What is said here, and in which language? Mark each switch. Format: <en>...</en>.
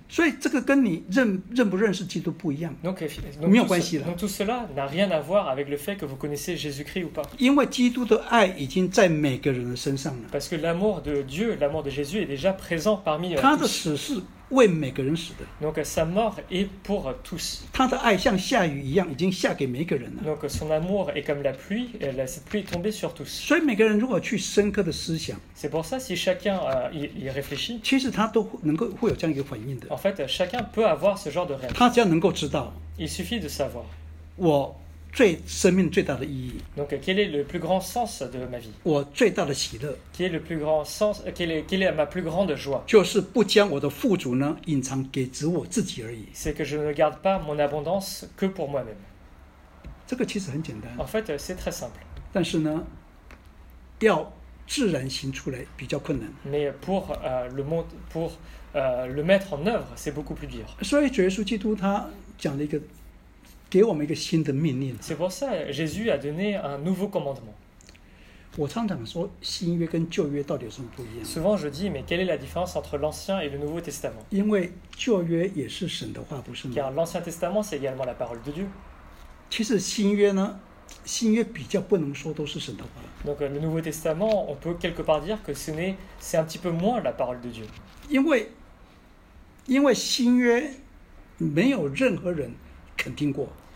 <zh>所以这个跟你认不认识基督不一样。</zh> <fr>Donc,</fr> <zh>没有关系了。</zh> <fr>Donc, tout cela n'a rien à voir avec le fait que vous connaissez Jésus-Christ ou pas.</fr> <zh>因为基督的爱已经在每个人的身上了。</zh> <fr>Parce que l'amour de Dieu, l'amour de Jésus est déjà présent parmi tous.</fr> <zh>他的死是为每个人死的。</zh> <fr>Donc, sa mort est pour tous.</fr> <zh>他的爱像下雨一样已经下给每个人了。</zh> <fr>Donc, son amour est comme la pluie, cette pluie est tombée sur tous.</fr> <zh>所以每个人如果去深刻的思想，</zh> <fr>c'est pour ça si chacun y réfléchit,</fr> <zh>其实他都能够会有这样一个反应的。</zh> <fr>En fait, chacun peut avoir ce genre de réaction.</fr> <zh>他只要能够知道，</zh> <fr>il suffit de savoir.</fr> <zh>我最生命最大的意义。</zh> <fr>Donc, quel est le plus grand sens de ma vie?</fr> <zh>我最大的喜乐。</zh> <fr>Quel est le plus grand sens? Quelle est ma plus grande joie?</fr> <zh>就是不将我的富足呢隐藏给只我自己而已。</zh> <fr>C'est que je ne garde pas mon abondance que pour moi-même.</fr> <zh>这个其实很简单。</zh> <fr>En fait, c'est très simple.</fr> <zh>但是呢，要自然行出来比较困难。</zh> <fr>Mais pour le monde, pour le mettre en œuvre, c'est beaucoup plus dur.</fr> <zh>所以主耶稣基督他讲了一个。给我们一个新的命令。</zh> <fr>C'est pour ça Jésus a donné un nouveau commandement.</fr> <zh>我常常说新约跟旧约到底有什么不一样？</zh> <fr>Souvent je dis mais quelle est la différence entre l'Ancien et le Nouveau Testament?</fr> <zh>因为旧约也是神的话，不是吗？</zh> <fr>Car l'Ancien Testament c'est également la parole de Dieu.</fr> <zh>其实新约呢，新约比较不能说都是神的话。</zh> <fr>Donc le Nouveau Testament on peut quelque part dire que c'est un petit peu moins la parole de Dieu.</fr> <zh>因为新约没有任何人肯定过。</zh>